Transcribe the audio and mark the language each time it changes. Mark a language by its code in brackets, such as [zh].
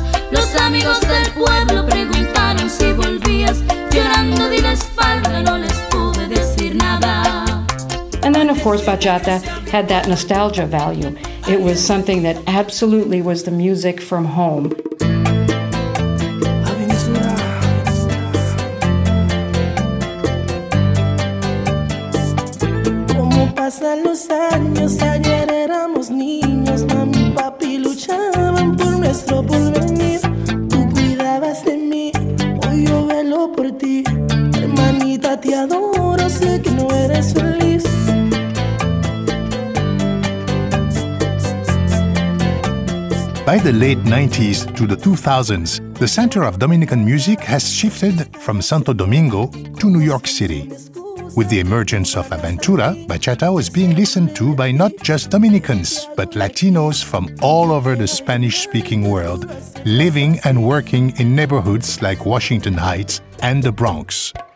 [es] Los amigos del pueblo preguntaron si volvías, llorando di la espalda, no les pude decir nada. [en] And then, of course, bachata had that nostalgia value. It was something that absolutely was the music from home. [es] Como pasan los años, ayer éramos niños, mami y papi luchaban por nuestro porvenir. Tú cuidabas de mí, hoy yo velo por ti. Hermanita, te adoro, sé que no eres feliz. [en] By the late 90s to the 2000s, the center of Dominican music has shifted from Santo Domingo to New York City. With the emergence of Aventura, bachata was being listened to by not just Dominicans, but Latinos from all over the Spanish-speaking world, living and working in neighborhoods like Washington Heights and the Bronx.